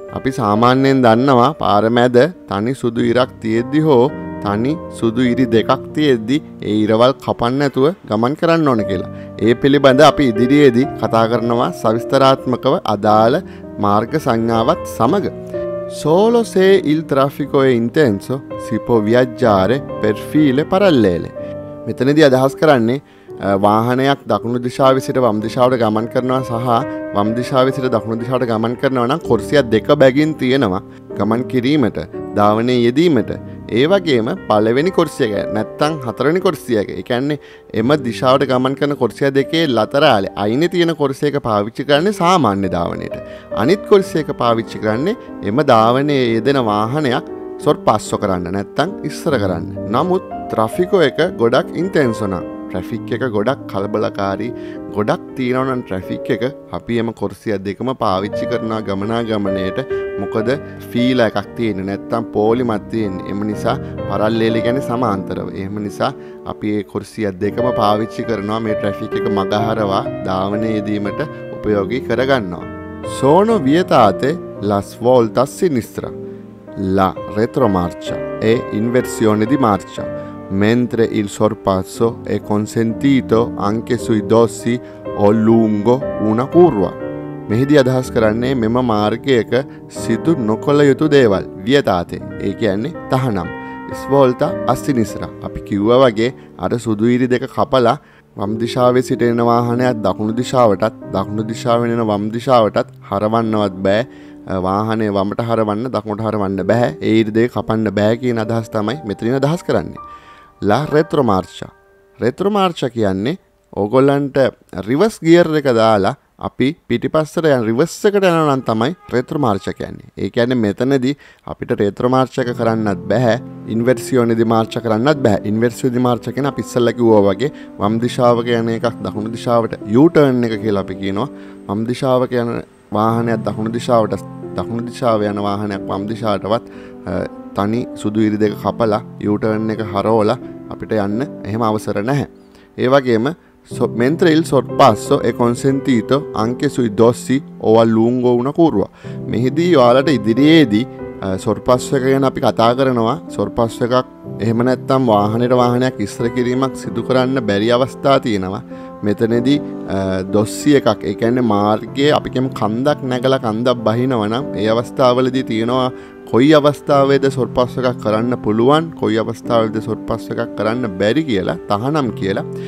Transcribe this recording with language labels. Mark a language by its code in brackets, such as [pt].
[si] අපි සාමාන්‍යයෙන් දන්නවා පාර මැද තනි සුදු ඉරක් තියෙද්දි හෝ තනි සුදු ඉරි දෙකක් තියෙද්දි ඒ ඉරවල් කපන්න නැතුව ගමන් කරන්න ඕන කියලා. ඒ පිළිබඳ අපි ඉදිරියේදී කතා කරනවා සවිස්තරාත්මකව අදාළ මාර්ග සංඥාවත් සමග. [it] Solo se il traffico è intenso si può viaggiare per file parallele. [si] මෙතනදී අදහස් කරන්නේ වාහනයක් දකුණු දිශාවේ සිට වම් දිශාවට ගමන් කරනවා සහ වම් දිශාවේ සිට දකුණු දිශාවට ගමන් කරනවා නම් කුර්සිය දෙක බැගින් තියෙනවා ගමන් කිරීමට, ධාවනයේ යෙදීමට. ඒ වගේම පළවෙනි කුර්සියක නැත්තම් හතරවෙනි කුර්සියක, ඒ කියන්නේ එම දිශාවට ගමන් කරන කුර්සිය දෙකේ ලතරාලේ අයිනේ තියෙන කුර්සියක පාවිච්චි කරන්නේ සාමාන්‍ය ධාවනයට. අනිත් කුර්සියක පාවිච්චි කරන්නේ එම ධාවනයේ යෙදෙන වාහනයක් සර්පස්ස කරන්න නැත්තම් ඉස්සර කරන්න. නමුත් ට්‍රැෆික් එක ගොඩක් ඉන්ටෙන්සෝ නම් ට්‍රැෆික් එක ගොඩක් කලබලකාරී ගොඩක් තියෙනවා නම් ට්‍රැෆික් එක අපි එම කුර්සිය දෙකම පාවිච්චි කරනා ගමනාගමනයේට මොකද ෆීල එකක් තියෙන්නේ නැත්තම් පෝලිමත් තියෙන්නේ. එම නිසා පරල්ලෙල කියන්නේ සමාන්තරව. එහෙම නිසා අපි මේ කුර්සිය දෙකම පාවිච්චි කරනවා මේ ට්‍රැෆික් එක මගහරවා ධාවනයේ යෙදීමට ප්‍රයෝගී කරගන්නවා. [it] Sono vietate la svolta a sinistra, la retromarcia e inversione di marcia. Mentre il sorpasso è consentito anche sui dossi o lungo una curva. [si] මෙහිදී අදහස් කරන්නේ මෙම මාර්ගයක සිදු නොකළ යුතු දේවල් වියතාතේ, ඒ කියන්නේ තහනම්. ස්වෝල්ත අස්සිනිස්ර අපි කිව්වා වගේ අර සුදු ඉරි දෙක කපලා වම් දිශාවේ සිට එන වාහනයක් දකුණු දිශාවටත් දකුණු දිශාවෙන් එන වම් දිශාවටත් හරවන්නවත් බෑ. වාහනේ වමට හරවන්න දකුණට හරවන්න බෑ. ඒ ඉරි දෙක කපන්න බෑ කියන අදහස් තමයි මෙතනින් අදහස් කරන්නේ. [it] La retromarcia. [si] Retromarcia කියන්නේ ඕගොල්ලන්ට රිවර්ස් ගියර් එක දාලා අපි පිටිපස්සට යන රිවර්ස් එකට යනවා නම් තමයි retromarcia කියන්නේ. ඒ කියන්නේ මෙතනදී අපිට retromarcia කරන්නත් බෑ, inversione di marcia කරන්නත් බෑ. Inversione di marcia කියන්නේ අපි ඉස්සෙල්ලා කිව්වා වගේ වම් දිශාවක යන එකක් දකුණු දිශාවට U-turn එක කියලා අපි කියනවා. වම් දිශාවක යන වාහනයක් දකුණු දිශාවේ යන වාහනයක් වම් දිශාවටවත් තනි සුදු ඉරි දෙක කපලා U-turn එක හරවලා අපිට යන්න එහෙම අවසර නැහැ. ඒ වගේම [it] mentre il sorpasso è consentito anche sui dossi o a lungo una curva. [si] මෙහිදී ඔයාලට ඉදිරියේදී සර්පස්ස එක ගැන අපි කතා කරනවා. සර්පස්ස එකක් එහෙම නැත්නම් වාහනෙට වාහනයක් ඉස්සර කිරීමක් සිදු කරන්න බැරි අවස්ථා තියෙනවා. මෙතනදී දොස්සි එකක්, ඒ කියන්නේ මාර්ගයේ අපි කියමු කන්දක් නැගලා කන්දක් බහිනවා නම් ඒ අවස්ථාවවලදී තියෙනවා කොයි අවස්ථාවේද සර්පස්ස එකක් කරන්න පුළුවන්, කොයි අවස්ථාවේද සර්පස්ස එකක් කරන්න බැරි කියලා තහනම් කියලා.